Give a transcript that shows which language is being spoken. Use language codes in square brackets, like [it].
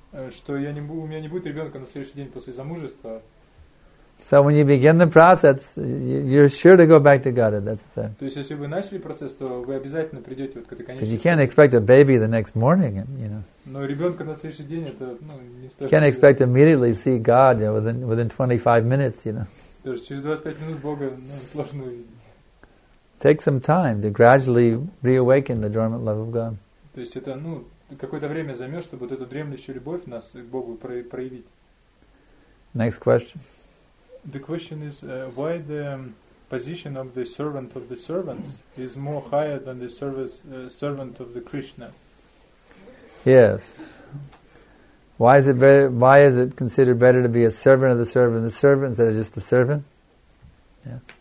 [ru] У меня не будет ребенка на следующий день после замужества. [en] So when you begin the process, you're sure to go back to God. That's the thing. [ru] То есть если вы начали процесс, то вы обязательно придете вот к этой конечной. [en] Because you can't expect a baby the next morning, you know. [ru] Но ребенка на следующий день это, ну, не стоит. [en] You can't expect immediately see God, you know, within 25 minutes, you know. [ru] То есть через 25 минут Бога, ну, сложно увидеть. [en] Take some time to gradually reawaken the dormant love of God. [ru] То есть это, ну, какое-то время займет, чтобы вот эту дремлющую любовь нас к Богу проявить. [en] Next question. The question is why the position of the servant of the servants is more higher than the service servant of the Krishna. Yes. Why is it better? Why is it considered better to be a servant of the servant, the servants that are just the servant? Yeah.